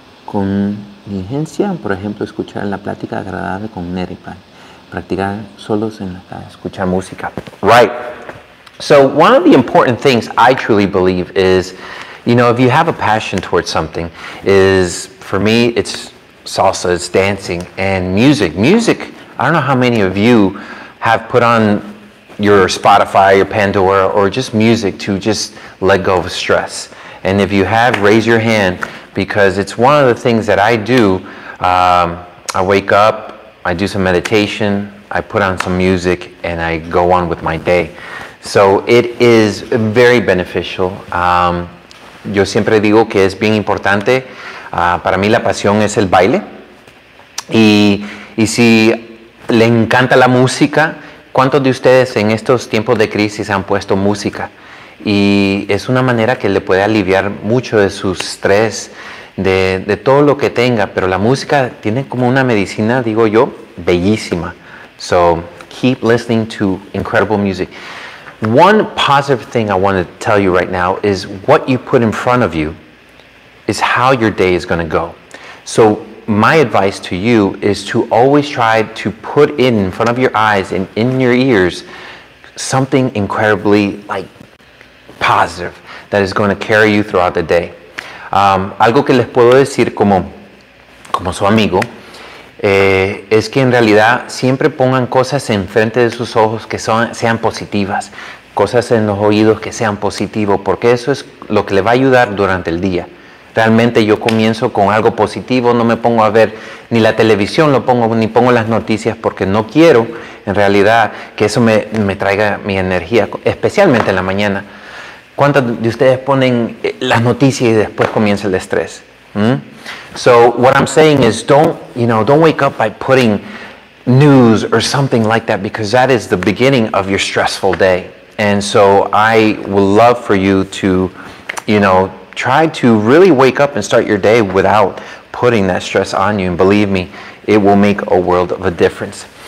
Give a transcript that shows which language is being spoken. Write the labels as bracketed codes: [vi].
[es] con diligencia, por ejemplo, escuchar la plática agradable con Neri, practicar solos en la casa, escuchar música. [en] Right. So one of the important things I truly believe is, you know, if you have a passion towards something, is for me, it's salsa, it's dancing and music. Music, I don't know how many of you have put on your Spotify, your Pandora, or just music to just let go of stress. And if you have, raise your hand, because it's one of the things that I do. I wake up, I do some meditation, I put on some music, and I go on with my day. So it is very beneficial. [es] Yo siempre digo que es bien importante. Para mí la pasión es el baile. Y si le encanta la música, ¿cuántos de ustedes en estos tiempos de crisis han puesto música? Y es una manera que le puede aliviar mucho de su estrés, de todo lo que tenga. Pero la música tiene como una medicina, digo yo, bellísima. [en] So, keep listening to incredible music. One positive thing I want to tell you right now is what you put in front of you is how your day is going to go. So, my advice to you is to always try to put in front of your eyes and in your ears something incredibly, like, positive that is going to carry you throughout the day. [es] Algo que les puedo decir como su amigo es que en realidad siempre pongan cosas enfrente de sus ojos que sean positivas, cosas en los oídos que sean positivos, porque eso es lo que le va a ayudar durante el día. Realmente yo comienzo con algo positivo, no me pongo a ver ni la televisión, ni pongo las noticias porque no quiero en realidad que eso me traiga mi energía, especialmente en la mañana. ¿Cuántos de ustedes ponen las noticias y después comienza el estrés? [en] So what I'm saying is don't wake up by putting news or something like that, because that is the beginning of your stressful day. And so I would love for you to, you know, try to really wake up and start your day without putting that stress on you. And believe me, it will make a world of a difference.